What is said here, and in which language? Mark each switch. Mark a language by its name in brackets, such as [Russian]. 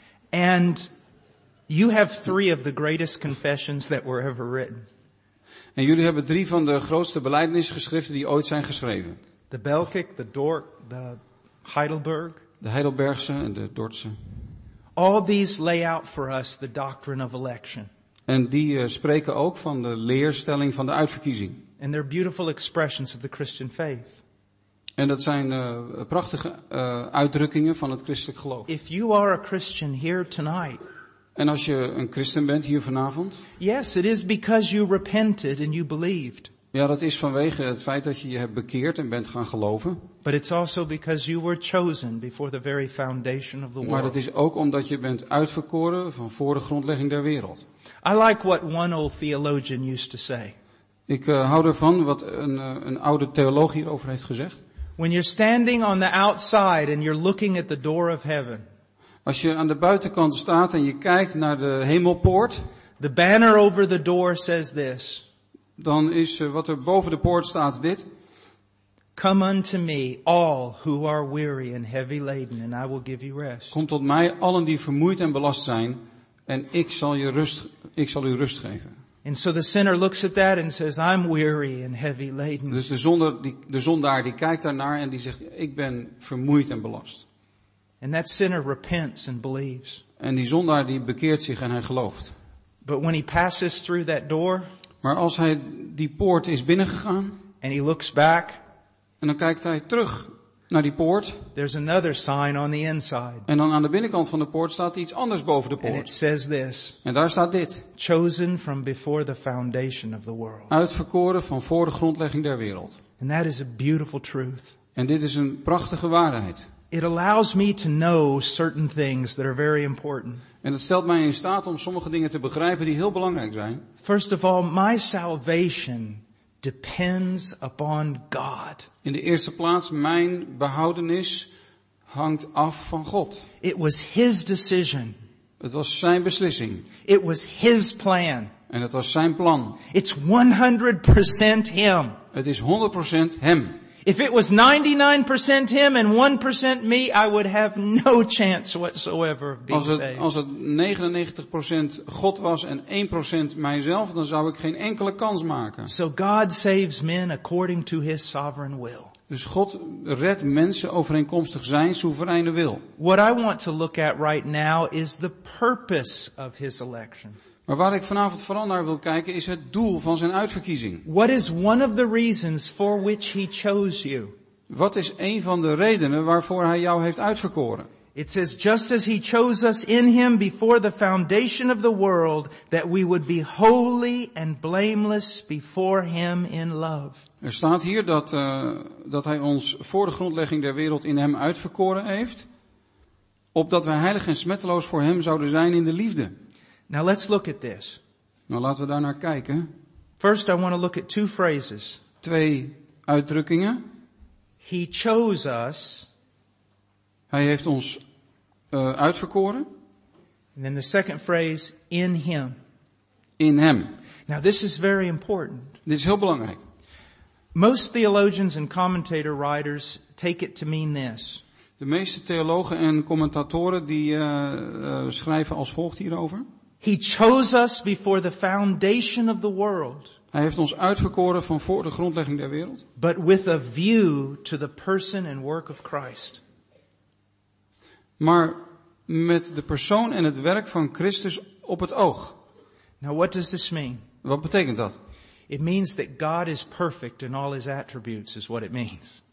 [English] And you have three of the greatest confessions that were ever written. [Dutch] En jullie hebben drie van de grootste belijdenisgeschriften die ooit zijn geschreven. [English] The Belkic, the Dort, the Heidelberg. [Dutch] De Heidelbergse en de Dortse. [English] All these lay out for us the doctrine of election. [Dutch] En die spreken ook van de leerstelling van de uitverkiezing. [English] And they're beautiful expressions of the Christian faith. [Dutch] En dat zijn prachtige uitdrukkingen van het christelijk geloof. [English] If you are a Christian here tonight, [Dutch] en als je een christen bent hier vanavond. [English] Yes, it is because you repented and you believed. [Dutch] Ja, dat is vanwege het feit dat je je hebt bekeerd en bent gaan geloven. [English] But it's also because you were chosen before the very foundation of the world. [Dutch] Maar dat is ook omdat je bent uitverkoren van voor de grondlegging der wereld. [English] I like what one old theologian used to say. [Dutch] Ik hou ervan wat een oude theoloog hierover heeft gezegd. [English] When you're standing on the outside and you're looking at the door of heaven. [Dutch] Als je aan de buitenkant staat en je kijkt naar de hemelpoort, [English] the banner over the door says this. [Dutch] Dan is wat er boven de poort staat dit. [English] Come unto me, all who are weary and heavy laden, and I will give you rest. [Dutch] Kom tot mij, allen die vermoeid en belast zijn, en ik zal u rust geven. [English] And so the sinner looks at that and says, I'm weary and heavy laden. [Dutch] Dus de zondaar die kijkt daarnaar en die zegt, ik ben vermoeid en belast. [English] And that sinner repents and believes. [Dutch] En die zondaar die bekeert zich en hij gelooft. [English] But when he passes through that door, [Dutch] maar als hij die poort is binnengegaan, [English] and he looks back, [Dutch] en dan kijkt hij terug naar die poort, [English] there's another sign on the inside. [Dutch] En dan aan de binnenkant van de poort staat iets anders boven de poort. [English] And it says this, [Dutch] en daar staat dit. [English] Chosen from before the foundation of the world. [Dutch] Uitverkoren van voor de grondlegging der wereld. [English] And that is a beautiful truth. [Dutch] En dit is een prachtige waarheid. [English] It allows me to know certain things that are very important. [Dutch] En het stelt mij in staat om sommige dingen te begrijpen die heel belangrijk zijn. [English] First of all, my salvation depends upon God. [Dutch] In de eerste plaats, mijn behoudenis hangt af van God. [English] It was his decision. [Dutch] Het was zijn beslissing. [English] It was his plan. [Dutch] En het was zijn plan. [English] It's 100% him. [Dutch] Het is 100% hem. [English] If it was 99% him and 1% me, I would have no chance whatsoever of being saved. [Dutch] Als het 99% God was en 1% mijzelf, dan zou ik geen enkele kans maken. [English] So God saves men according to his sovereign will. [Dutch] Dus God redt mensen overeenkomstig zijn soevereine wil. [English] What I want to look at right now is the purpose of his election. [Dutch] Maar waar ik vanavond vooral naar wil kijken is het doel van zijn uitverkiezing. [English] What is one of the reasons for which he chose you? [Dutch] Wat is een van de redenen waarvoor hij jou heeft uitverkoren? [English] It says just as he chose us in him before the foundation of the world that we would be holy and blameless before him in love. [Dutch] Er staat hier dat hij ons voor de grondlegging der wereld in hem uitverkoren heeft opdat wij heilig en smetteloos voor hem zouden zijn in de liefde. [English] Now let's look at this. [Dutch] Nou, laten we daar naar kijken. [English] First I want to look at two phrases. [Dutch] Twee uitdrukkingen. [English] He chose us. [Dutch] Hij heeft ons uitverkoren. [English] And then the second phrase, in him. [Dutch] In hem. [English] Now this is very important. [Dutch] Dit is heel belangrijk. [English] Most theologians and commentator writers take it to mean this. [Dutch] De meeste theologen en commentatoren die schrijven als volgt hierover. [English] He chose us before the foundation of the world. [Dutch] Hij heeft ons uitverkoren van voor de grondlegging der wereld. [English] But with a view to the person and work of Christ. [Dutch] Maar met de persoon en het werk van Christus op het oog. [English] Now what does this mean? [Dutch] Wat betekent dat? [English] It means that God is perfect in all his attributes is what it means.